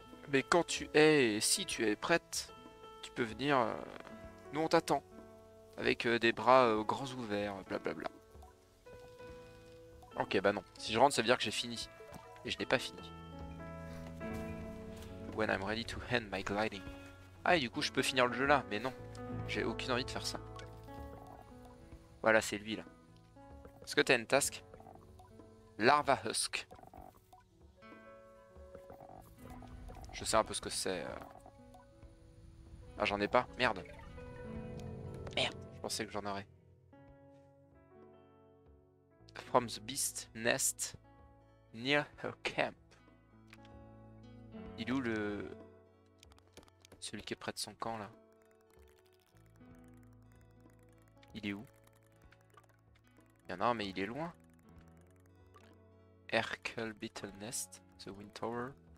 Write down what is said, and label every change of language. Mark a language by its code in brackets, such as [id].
[fr] Mais quand tu es, et si tu es prête, tu peux venir. Nous, on t'attend. Avec des bras grands ouverts, blablabla. Ok, bah non. Si je rentre, ça veut dire que j'ai fini. Et je n'ai pas fini. [en] When I'm ready to end my gliding. [fr] Ah, et du coup, je peux finir le jeu là. Mais non, j'ai aucune envie de faire ça. Voilà, c'est lui, là. Est-ce que t'as une task? Larva Husk. Je sais un peu ce que c'est. Ah, j'en ai pas. Merde. Merde. Je pensais que j'en aurais. [en] From the beast nest near her camp. [fr] Il est où le... Celui qui est près de son camp, là. Il est où? Il y en a un, mais il est loin. [en] Erkel beetle nest. The wind tower.